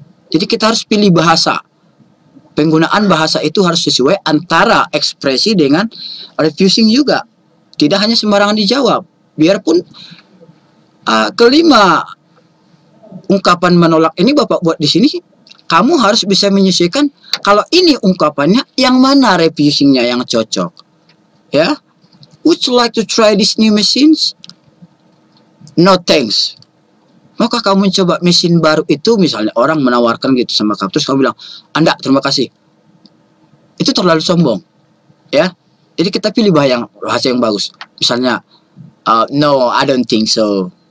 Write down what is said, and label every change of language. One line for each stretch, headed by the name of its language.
Indonesian: Jadi kita harus pilih bahasa, penggunaan bahasa itu harus sesuai antara ekspresi dengan refusing juga, tidak hanya sembarangan dijawab. Biarpun kelima ungkapan menolak ini Bapak buat di sini, kamu harus bisa menyesuaikan kalau ini ungkapannya yang mana refusingnya yang cocok.
English: Ya, would you like to try this new machines? No thanks.
Indonesian: Maukah kamu coba mesin baru itu? Misalnya orang menawarkan gitu sama kamu, terus kamu bilang, anda terima kasih. Itu terlalu sombong. Ya, jadi kita pilih bahasa yang bagus. Misalnya,
English: no, I don't think so.